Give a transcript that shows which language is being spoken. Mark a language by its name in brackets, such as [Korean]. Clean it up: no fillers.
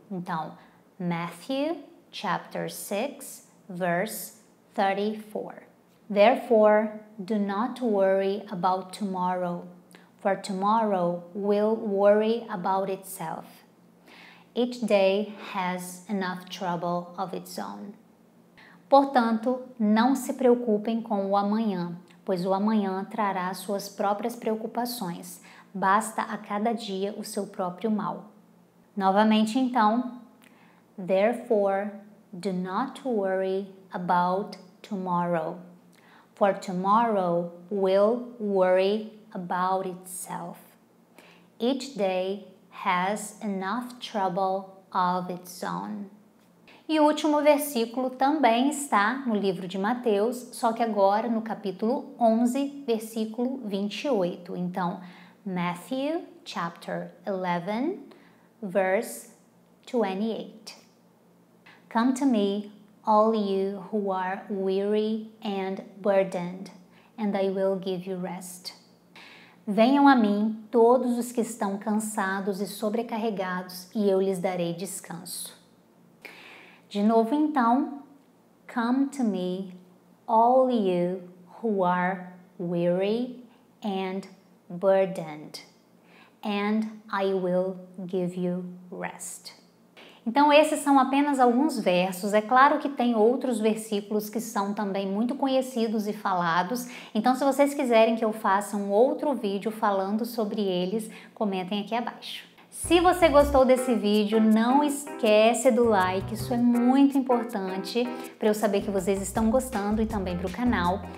[Portuguese] Então, [English] Matthew, chapter 6, verse 34. Therefore, do not worry about tomorrow, for tomorrow will worry about itself. Each day has enough trouble of its own. [Portuguese] Portanto, não se preocupem com o amanhã, pois o amanhã trará suas próprias preocupações. Basta a cada dia o seu próprio mal. Novamente então, [English] therefore, do not worry about tomorrow, for tomorrow will worry about itself. Each day has enough trouble of its own. [Portuguese] E o último versículo também está no livro de Mateus, só que agora no capítulo 11, versículo 28. Então, [English] Matthew chapter 11, verse 28. Come to me, all you who are weary and burdened, and I will give you rest. [Portuguese] Venham a mim todos os que estão cansados e sobrecarregados, e eu lhes darei descanso. De novo então, [English] come to me, all you who are weary and burdened, and I will give you rest. [Portuguese] Então, esses são apenas alguns versos. É claro que tem outros versículos que são também muito conhecidos e falados. Então, se vocês quiserem que eu faça um outro vídeo falando sobre eles, comentem aqui abaixo. Se você gostou desse vídeo, não esquece do like, isso é muito importante para eu saber que vocês estão gostando e também para o canal.